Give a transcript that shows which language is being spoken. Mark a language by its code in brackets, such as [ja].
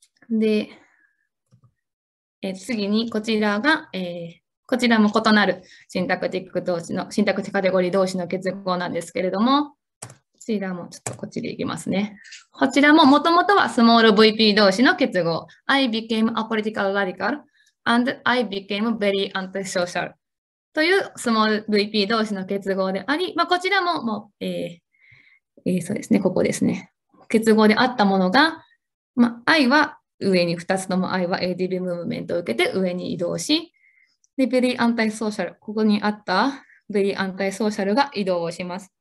[ja] で、次にこちらが、こちらも異なるシンタクティック動詞のシンタクティックカテゴリー動詞の結合なんですけれども、こちらもちょっとこっちでいきますね。こちらももともとはスモール VP 動詞の結合。 [en] I became a political radical and I became very antisocial. [ja] というスモール VP 同士の結合であり、まあ、こちらも、そうですね、ここですね。結合であったものが、まあ、I は上に、2つとも I は ADB ムーブメントを受けて上に移動し、で、Very Antisocial、ここにあった Very Antisocial が移動をします。